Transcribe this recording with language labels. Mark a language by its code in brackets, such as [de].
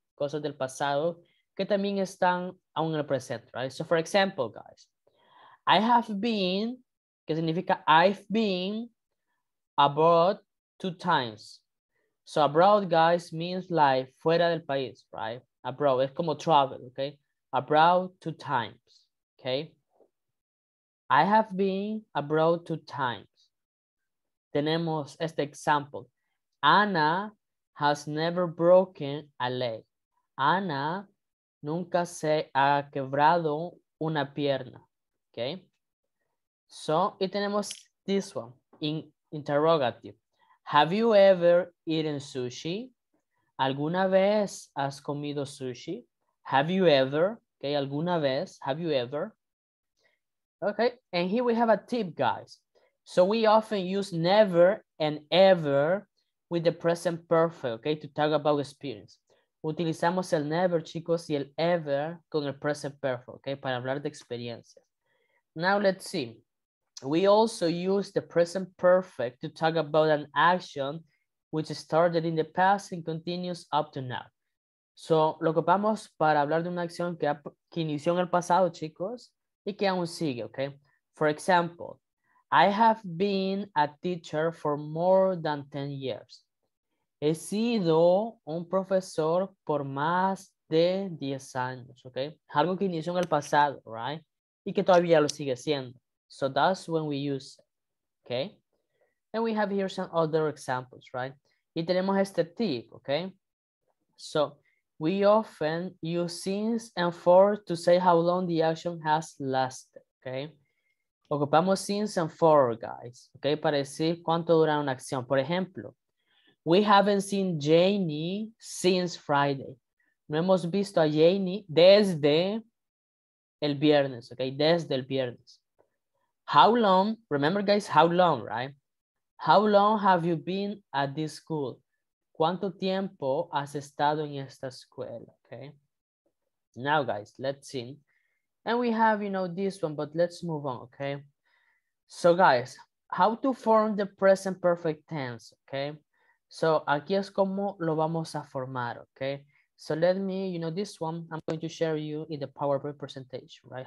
[es] Cosas del pasado que también están aún en el presente, right? [en] So, for example, guys, I have been, [es] que significa [en] I've been abroad 2 times. So, abroad, guys, means like [es] fuera del país, [en] right? Abroad, [es] es como [en] travel, okay? Abroad 2 times, okay? I have been abroad 2 times. [es] Tenemos este [en] example. Ana has never broken a leg. [es] Ana nunca se ha quebrado una pierna. Okay. [en] So, [es] y tenemos [en] this one in interrogative. Have you ever eaten sushi? [es] ¿Alguna vez has comido sushi? [en] Have you ever? Okay, [es] alguna vez. [en] Have you ever? Okay, and here we have a tip, guys. So we often use never and ever with the present perfect, okay, to talk about experience. [es] Utilizamos el never, chicos, y el ever con el present perfect, okay, para hablar de experiencia. [en] Now let's see. We also use the present perfect to talk about an action which started in the past and continues up to now. [es] So lo ocupamos para hablar de una acción que inició en el pasado, chicos, y que aún sigue, okay? [en] For example, I have been a teacher for more than 10 years. [es] He sido un profesor por más de 10 años, okay? Algo que inició en el pasado, right? Y que todavía lo sigue siendo. [en] So that's when we use it, okay? And we have here some other examples, right? [es] Y tenemos este tip, [en] okay? So we often use since and for to say how long the action has lasted, okay? [es] Ocupamos [en] since and for, guys, [es] okay? Para decir cuánto dura una acción. Por ejemplo, [en] we haven't seen Janie since Friday. [es] No hemos visto a Janie desde el viernes, okay? Desde el viernes. [en] How long, remember, guys, how long, right? How long have you been at this school? [es] ¿Cuánto tiempo has estado en esta escuela? [en] Okay. Now, guys, let's see. And we have, you know, this one, but let's move on, okay? So, guys, How to form the present perfect tense, okay? [es] So, aquí es como lo vamos a formar, okay? [en] So, let me, you know, this one, I'm going to share you in the PowerPoint presentation, right?